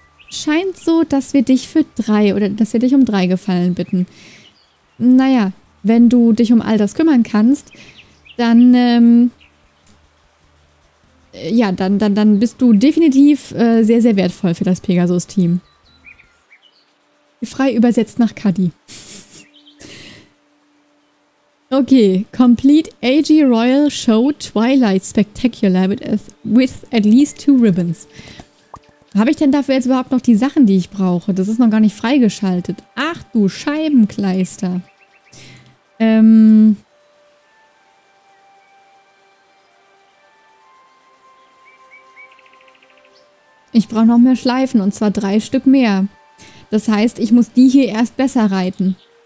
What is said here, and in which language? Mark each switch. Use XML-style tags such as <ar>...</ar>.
<de>Scheint so, dass wir dich für drei oder dass wir dich um drei Gefallen bitten. Naja. Wenn du dich um all das kümmern kannst, dann dann bist du definitiv sehr, sehr wertvoll für das Pegasus-Team. Frei übersetzt nach Cuddy.</de> <en>Okay, complete AG Royal Show Twilight Spectacular with at least two ribbons.</en> <de>Habe ich denn dafür jetzt überhaupt noch die Sachen, die ich brauche? Das ist noch gar nicht freigeschaltet. Ach du Scheibenkleister. Ich brauche noch mehr Schleifen, und zwar 3 Stück mehr. Das heißt, ich muss die hier erst besser reiten.</de>